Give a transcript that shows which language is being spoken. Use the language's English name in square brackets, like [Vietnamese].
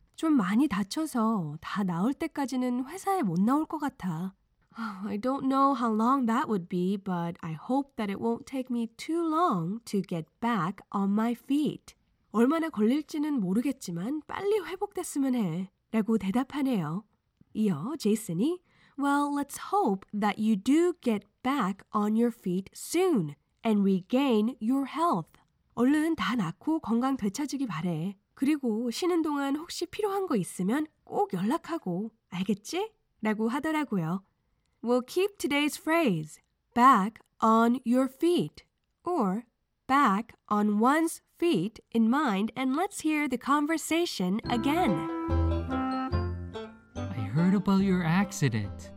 [Korean] 좀 많이 다쳐서 다 나을 때까지는 회사에 못 나올 것 같아. [English] I don't know how long that would be, but I hope that it won't take me too long to get back on my feet. [Korean] 얼마나 걸릴지는 모르겠지만 빨리 회복됐으면 해 라고 대답하네요. 이어 제이슨이 [English] Well, let's hope that you do get back on your feet soon and regain your health. [Korean] 얼른 다 낫고 건강 되찾으기 바래. 그리고 쉬는 동안 혹시 필요한 거 있으면 꼭 연락하고, 알겠지? 라고 하더라고요. [English] We'll keep today's phrase, back on your feet, or back on one's feet in mind, and let's hear the conversation again. I heard about your accident.